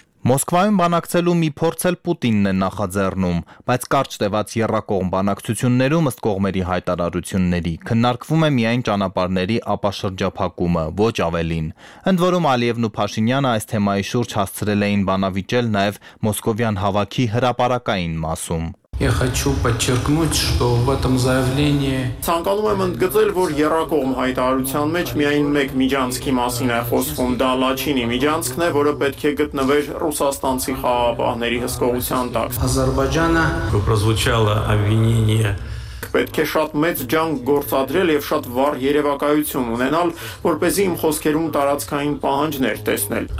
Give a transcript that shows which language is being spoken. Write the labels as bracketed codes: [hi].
[hy] Մոսկվայում բանակցելու մի փորձ էլ Պուտինն է նախաձեռնում, բայց կարճ տևած երրակողմ բանակցություններում ըստ կողմերի հայտարարությունների քննարկվում է միայն ճանապարհների ապաշրջափակումը, ոչ ավելին։ Ընդ որում Ալիևն ու Փաշինյանը այս թեմայի շուրջ հասցրել էին բանավիճել նաև մոսկովյան հավաքի հրապարակային մասում։ [ru] Я хочу подчеркнуть, что в этом заявлении [hy] Ցանկանում եմ ընդգծել, որ երրակողմ հայտարարության մեջ միայն մեկ միջանցքի մասին է խոսվում, դա Լաչինի միջանցքն է, որը պետք է գտնվեր ռուսաստանցի խաղաղապահների հսկողության տակ։ Ադրբեջանը [ru] прозвучало обвинение. [hy] Պետք է շատ մեծ ջանք գործադրել եւ շատ վառ երևակայություն ունենալ, որպեսզի իմ խոսքերում տարածքային պահանջներ տեսնել։